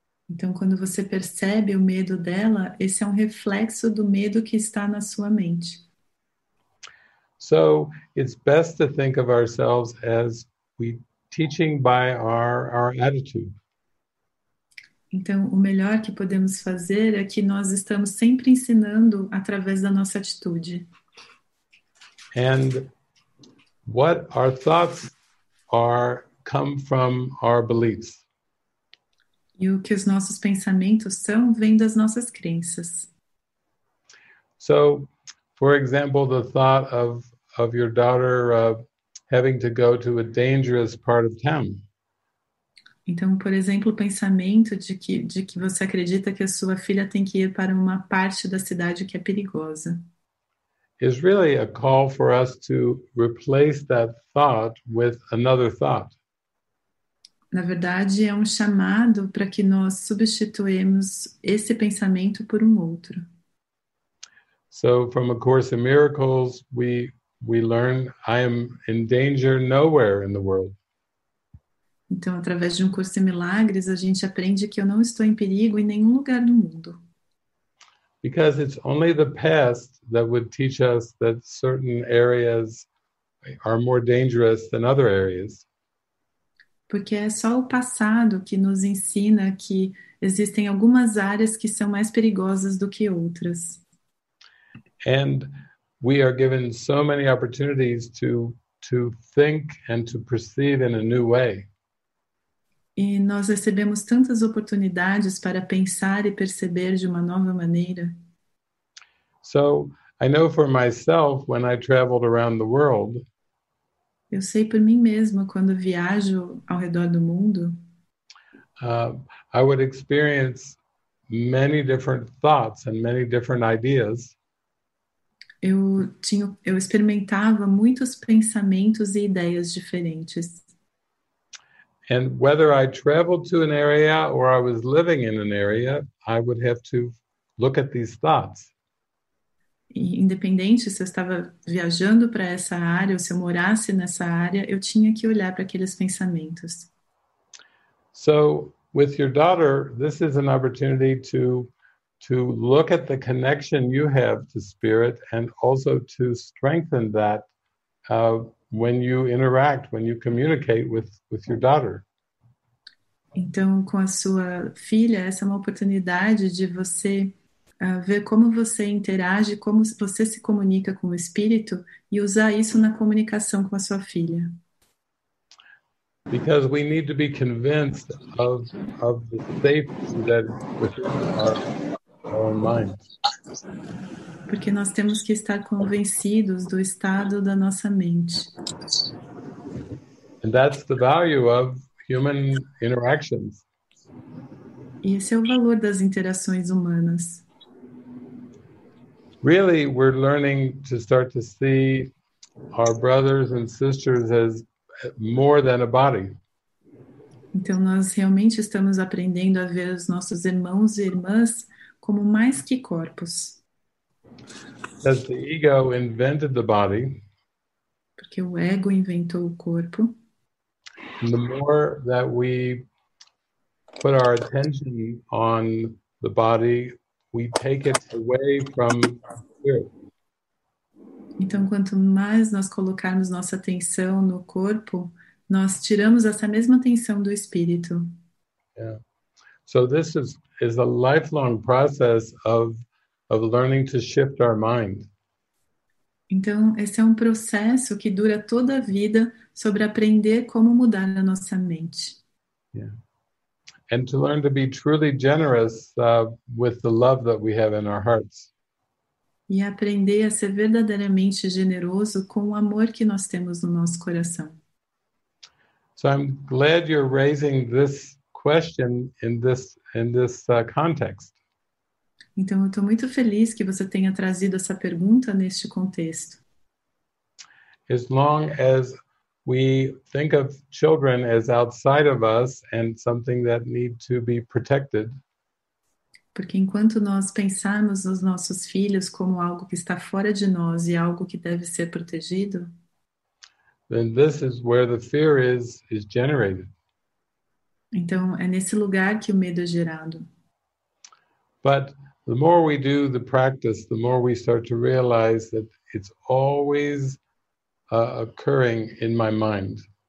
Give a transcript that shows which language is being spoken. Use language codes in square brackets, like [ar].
[pt] Então, quando você percebe o medo dela, esse é reflexo do medo que está na sua mente. [en] So it's best to think of ourselves as we teaching by our attitude. [pt] Então, o melhor que podemos fazer é que nós estamos sempre ensinando através da nossa atitude. [en] And what our thoughts are come from our beliefs. [pt] E o que os nossos pensamentos são vem das nossas crenças. [en] So, for example, the thought of your daughter having to go to a dangerous part of town. [pt] Então, por exemplo, o pensamento de que você acredita que a sua filha tem que ir para uma parte da cidade que é perigosa. [en] Is really a call for us to replace that thought with another thought. [pt] Na verdade, é chamado para que nós substituamos esse pensamento por outro. [en] So, from A Course in Miracles, we learn I am in danger nowhere in the world. [pt] Então, através de Curso em Milagres, a gente aprende que eu não estou em perigo em nenhum lugar do mundo. [en] Because it's only the past that would teach us that certain areas are more dangerous than other areas. [pt] Porque é só o passado que nos ensina que existem algumas áreas que são mais perigosas do que outras. [en] And we are given so many opportunities to think and to perceive in a new way. [pt] E nós recebemos tantas oportunidades para pensar e perceber de nova maneira. [en] So, I know for myself, when I traveled around the world, [pt] eu sei por mesma, quando viajo ao redor do mundo, [en] I would experience many different thoughts and many different ideas. [pt] Eu experimentava muitos pensamentos e ideias diferentes. [en] And whether I traveled to an area or I was living in an area, I would have to look at these thoughts. [pt] independente se eu estava viajando para essa área ou se eu morasse nessa área, eu tinha que olhar para aqueles pensamentos. [en] So, with your daughter, this is an opportunity to look at the connection you have to spirit and also to strengthen that when you interact, when you communicate with your daughter. [pt] Então, com a sua filha, essa é uma oportunidade de você ver como você interage, como você se comunica com o espírito e usar isso na comunicação com a sua filha. [en] Because we need to be convinced of the safety that is within our minds. [pt] Porque nós temos que estar convencidos do estado da nossa mente. [en] And that's the value of human interactions. [pt] E esse é o valor das interações humanas. [en] Really, we're learning to start to see our brothers and sisters as more than a body. [pt] Então nós realmente estamos aprendendo a ver os nossos irmãos e irmãs como mais que corpos. [en] As the ego invented the body. [pt] Porque o ego inventou o corpo. [en] And the more that we put our attention on the body, we take it away from spirit. [pt] Então, quanto mais nós colocarmos nossa atenção no corpo, nós tiramos essa mesma atenção do espírito. [en] Yeah. So this is a lifelong process of learning to shift our mind. [pt] Então, esse é um processo que dura toda a vida sobre aprender como mudar a nossa mente. [en] Yeah. And to learn to be truly generous with the love that we have in our hearts. [pt] E aprender a ser verdadeiramente generoso com o amor que nós temos no nosso coração. [en] So I'm glad you're raising this question in this context. [pt] Então eu estou muito feliz que você tenha trazido essa pergunta neste contexto. [en] As long as we think of children as outside of us and something that need to be protected. [pt] Porque enquanto nós pensarmos nos nossos filhos como algo que está fora de nós e algo que deve ser protegido, [en] then this is where the fear is generated. [pt] Então, é nesse lugar que o medo é gerado. [en] But the more we do the practice, the more we start to realize that it's always occurring in my mind.